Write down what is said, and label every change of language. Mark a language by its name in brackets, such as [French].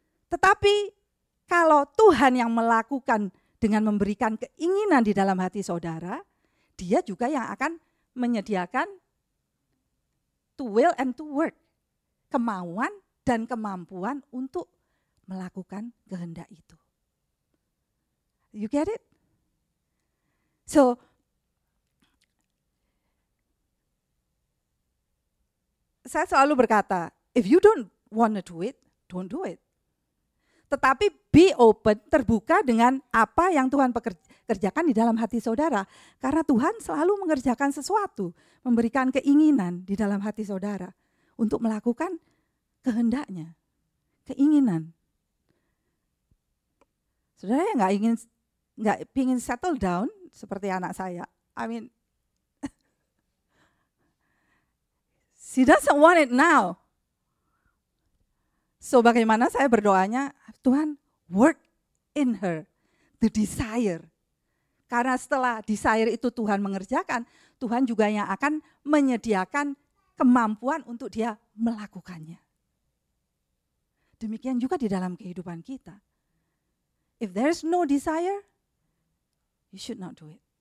[Indonesian] Tetapi kalau Tuhan yang melakukan dengan memberikan keinginan di dalam hati saudara, dia juga yang akan menyediakan [English] to will and to work. [Indonesian] Kemauan dan kemampuan untuk melakukan kehendak itu. [English] You get it? So, [Indonesian] saya selalu berkata, [English] if you don't want to do it, don't do it. [Indonesian] Tetapi [English] be open, [Indonesian] terbuka dengan apa yang Tuhan kerjakan di dalam hati saudara. Karena Tuhan selalu mengerjakan sesuatu, memberikan keinginan di dalam hati saudara untuk melakukan kehendaknya, keinginan. Saudara yang gak ingin settle down seperti anak saya, [English] I mean, she doesn't want it now. [Indonesian] So bagaimana saya berdoanya, Tuhan [English] work in her the desire. [Indonesian] Karena setelah desire itu Tuhan mengerjakan, Tuhan juga yang akan menyediakan kemampuan untuk dia melakukannya. Demikian juga di dalam kehidupan kita. [English] If there is no desire, you should not do it.